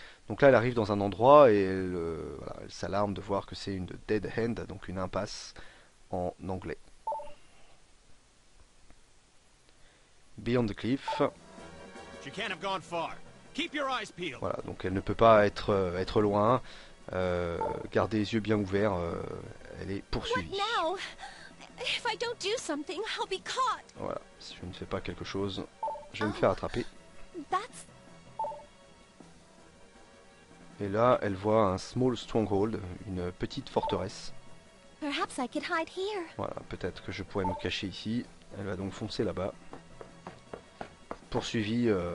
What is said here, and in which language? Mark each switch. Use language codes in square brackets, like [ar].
[fr] Donc là, elle arrive dans un endroit et voilà, elle s'alarme de voir que c'est une [en] dead end, [fr] donc une impasse en anglais. [en] Beyond the cliff. She can't have gone far. Keep your eyes peeled. [fr] Voilà, donc elle ne peut pas être loin. Garder les yeux bien ouverts, elle est poursuivie. [en] What now? If I don't do something, I'll be caught. [fr] Voilà, si je ne fais pas quelque chose, je vais me faire attraper. [en] That's... [fr] Et là, elle voit un [en] small stronghold, [fr] une petite forteresse. [en] Perhaps I could hide here. [fr] Voilà, peut-être que je pourrais me cacher ici. Elle va donc foncer là-bas. Poursuivie.